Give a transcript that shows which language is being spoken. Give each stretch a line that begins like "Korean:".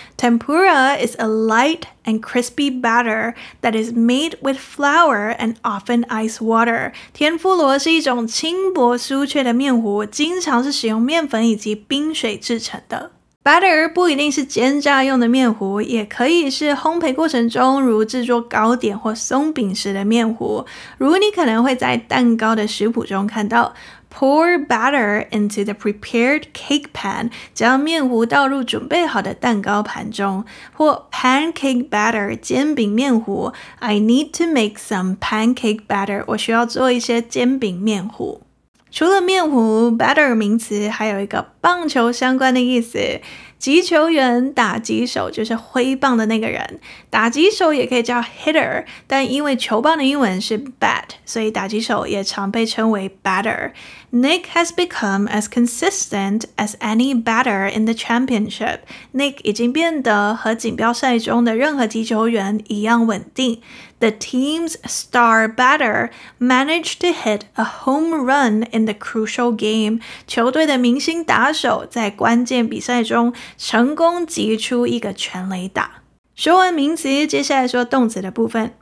English: Tempura is a light and crispy batter that is made with flour and often ice water.
Chinese: 天妇罗是一种轻薄酥脆的面糊，经常是使用面粉以及冰水制成的。 Batter 不一定是煎炸用的面糊，也可以是烘焙过程中如制作糕点或松饼时的面糊，如你可能会在蛋糕的食谱中看到。
English: Pour batter into the prepared cake pan,
Chinese: 将面糊倒入准备好的蛋糕盘中，或 pancake batter, 煎饼面糊。
English: I need to make some pancake batter,
Chinese: 我需要做一些煎饼面糊。除了面糊 ,batter 名词还有一个棒球相关的意思。击球员打击手就是挥棒的那个人。打击手也可以叫 hitter, 但因为球棒的英文是 bat, 所以打击手也常被称为 batter。
English: Nick has become as consistent as any batter in the championship.
Chinese: Nick 已经变得和锦标赛中的任何击球员一样稳定。
English: The team's star batter managed to hit a home run in the crucial game.
Chinese: 球队的明星打手在关键比赛中成功击出一个全垒打。说完名词，接下来说动词的部分。